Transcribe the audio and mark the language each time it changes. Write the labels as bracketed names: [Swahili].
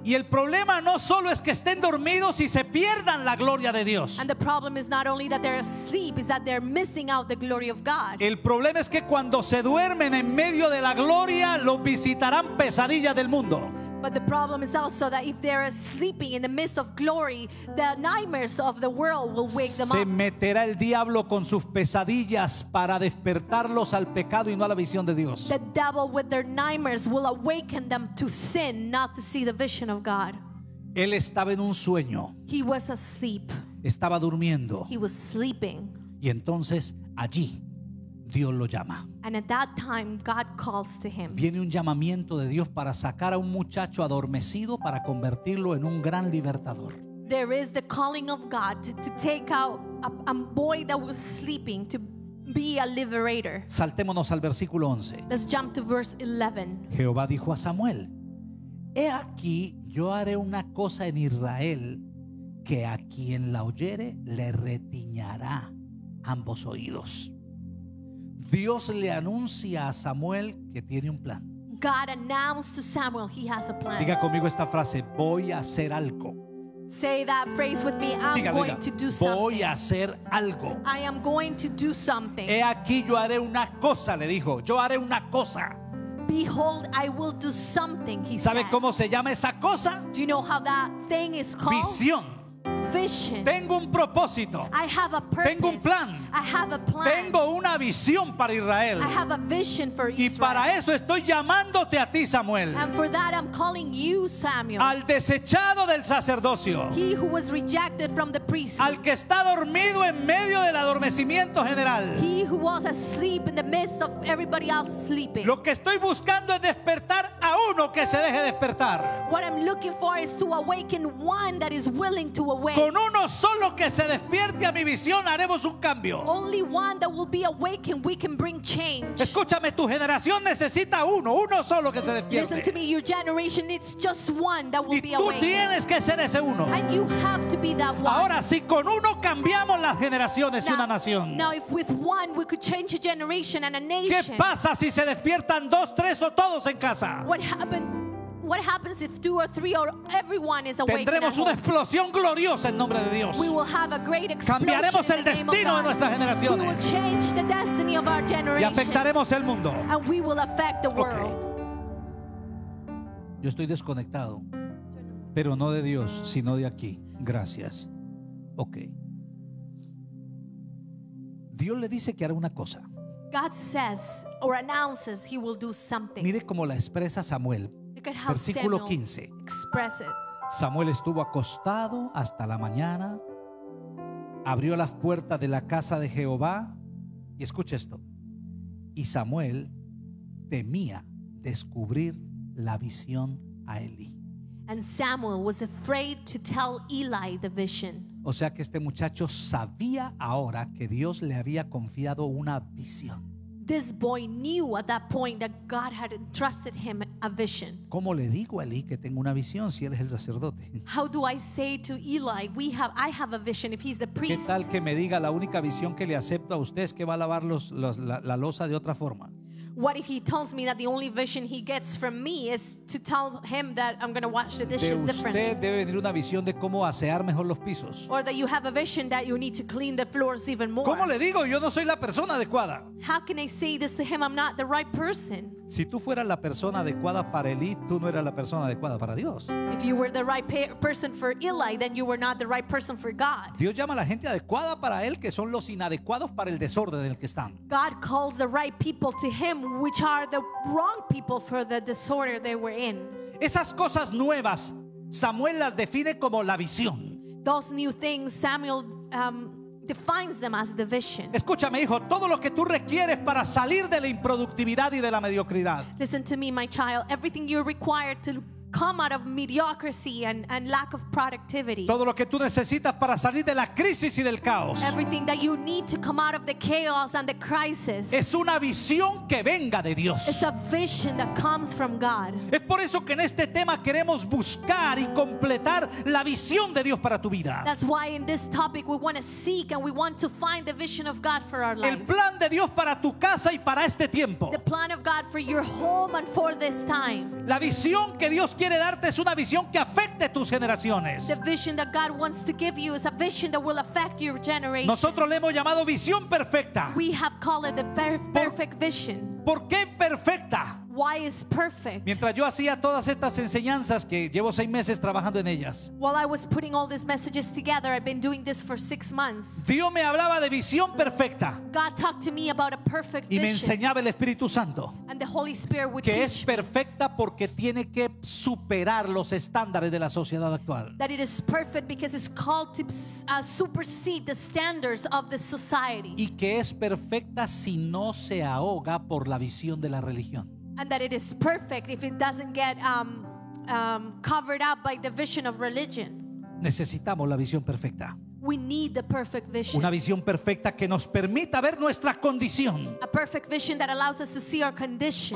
[Spanish] Y el problema no solo es que estén dormidos y se pierdan la gloria de Dios. [English] And the problem is not only that they're asleep, is that they're missing out the glory of God. [Spanish] El problema es que cuando se duermen en medio de la gloria, los visitarán pesadillas del mundo. [English] But the problem is also that if they're sleeping in the midst of glory, the nightmares of the world will wake them up. [Spanish] Se meterá el diablo con sus pesadillas para despertarlos al pecado y no a la visión de Dios. [English] The devil with their nightmares will awaken them to sin, not to see the vision of God. [Spanish] Él estaba en un sueño. [English] He was asleep. [Spanish] Estaba durmiendo. [English] He was sleeping. [Spanish] Y entonces allí Dios lo llama. [English] And at that time, God calls to him. [Spanish] Viene un llamamiento de Dios para sacar a un muchacho adormecido para convertirlo en un gran libertador. [English] There is the calling of God to take out a boy that was sleeping to be a liberator. [Spanish] Saltémonos al versículo 11. [English] Let's jump to verse 11. [Spanish] Jehová dijo a Samuel: He aquí, yo haré una cosa en Israel que a quien la oyere le retiñará ambos oídos. Dios le anuncia a Samuel que tiene un plan. [English] God announced to Samuel he has a plan. [Spanish] Diga conmigo esta frase: voy a hacer algo. [English] Say that phrase with me. I'm going to do something. [Spanish] Voy a hacer algo. [English] I am going to do something. [Spanish] He aquí, yo haré una cosa, le dijo. Yo haré una cosa. [English] Behold, I will do something, he [Spanish] ¿Sabe [English] said. [Spanish] ¿Sabe cómo se llama esa cosa? [English] Do you know how that thing is called? [Spanish] Visión. [English] Vision. [Spanish] Tengo un propósito. [English] I have a purpose. [Spanish] Tengo un plan. [English] I have a plan. [Spanish] Tengo una visión para Israel. [English] I have a vision for Israel. [Spanish] Y para eso estoy llamándote a ti, Samuel. [English] And for that I'm calling you, Samuel. [Spanish] Al desechado del sacerdocio. [English] He who was rejected from the priesthood. [Spanish] Al que está dormido en medio del adormecimiento general. [English] He who was asleep in the midst of everybody else sleeping. [Spanish] Lo que estoy buscando es despertar a uno que se deje despertar. [English] What I'm looking for is to awaken one that is willing to awaken. [Spanish] Con uno solo que se despierte a mi visión haremos un cambio. [English] Only one that will be awakened, we can bring change. [Spanish] Escúchame, tu generación necesita uno solo que se despierte. [English] Listen to me, your generation needs just one that will be awakened. [Spanish] Y tú tienes que ser ese uno. [English] And you have to be that one. [Spanish] Ahora si con uno cambiamos las generaciones y una nación. [English] Now if with one we could change a generation and a nation. [Spanish] ¿Qué pasa si se despiertan dos, tres o todos en casa? [English] What happens if two or three or everyone is awake? [Spanish] Tendremos una explosión gloriosa en nombre de Dios. [English] We will have a great explosion. [Spanish] Cambiaremos el destino de nuestras generaciones. [English] We will change the destiny of our generations. [Spanish] Y afectaremos el mundo. [English] And we will affect the world. Okay. [Spanish] Yo estoy desconectado, pero no de Dios, sino de aquí. Gracias. Okay. Dios le dice que hará una cosa. [English] God says or announces he will do something. [Spanish] Mire cómo la expresa Samuel. Versículo 15. Samuel estuvo acostado hasta la mañana. Abrió las puertas de la casa de Jehová. Y escucha esto. Y Samuel temía descubrir la visión a Eli. [English] And Samuel was afraid to tell Eli the vision. [Spanish] O sea que este muchacho sabía ahora que Dios le había confiado una visión. [English] This boy knew at that point that God had entrusted him a vision. [Spanish] ¿Cómo le digo a Eli que tengo una visión si él es el sacerdote? [English] How do I say to Eli, I have a vision if he's the priest? [Spanish] ¿Qué tal que me diga la única visión que le acepto a usted es que va a lavar la losa de otra forma? [English] What if he tells me that the only vision he gets from me is to tell him that I'm going to wash the dishes differently? [Spanish] De usted debe venir una visión de cómo asear mejor los pisos. [English] Or that you have a vision that you need to clean the floors even more. [Spanish] ¿Cómo le digo? Yo no soy la persona adecuada. [English] How can I say this to him? I'm not the right person. [Spanish] Si tú fueras la persona adecuada para Eli, tú no eras la persona adecuada para Dios. [English] If you were the right person for Eli, then you were not the right person for God. [Spanish] Dios llama a la gente adecuada para él, que son los inadecuados para el desorden en el que están. [English] God calls the right people to him, which are the wrong people for the disorder they were in. [Spanish] Esas cosas nuevas, Samuel las define como la visión. [English] Those new things, Samuel defines them as the vision. [Spanish] Escúchame, hijo, todo lo que tú requieres para salir de la improductividad y de la mediocridad. [English] Listen to me, my child. Everything you require to come out of mediocrity and lack of productivity. [Spanish] Todo lo que tú necesitas para salir de la crisis y del caos. [English] Everything that you need to come out of the chaos and the crisis. [Spanish] Es una visión que venga de Dios. [English] It's a vision that comes from God. [Spanish] Es por eso que en este tema queremos buscar y completar la visión de Dios para tu vida. [English] That's why in this topic we want to seek and we want to find the vision of God for our lives. [Spanish] El plan de Dios para tu casa y para este tiempo. [English] The plan of God for your home and for this time. [Spanish] La visión que Dios quiere darte es una visión que afecte tus generaciones. [English] The vision that God wants to give you is a vision that will affect your generation. [Spanish] Nosotros le hemos llamado visión perfecta. [English] We have called it the perfect vision. [Spanish] ¿Por qué perfecta? [English] Why is perfect? [Spanish] Mientras yo hacía todas estas enseñanzas que llevo 6 meses trabajando en ellas. [English] While I was putting all these messages together, I've been doing this for 6 months. [Spanish] Dios me hablaba de visión perfecta. [English] God talked to me about a perfect [Spanish] vision. Y me enseñaba el Espíritu Santo. [English] And the Holy Spirit would [Spanish] que [English] teach. [Spanish] Que es perfecta porque tiene que superar los estándares de la sociedad actual. [English] That it is perfect because it's called to supersede the standards of the society. [Spanish] Y que es perfecta si no se ahoga por la visión de la religión. [English] And that it is perfect if it doesn't get covered up by the vision of religion. [Spanish] Necesitamos la visión perfecta. [English] We need the perfect vision. [Spanish] Una visión perfecta que nos permita ver nuestra condición. [English] A perfect vision that allows us to see our condition.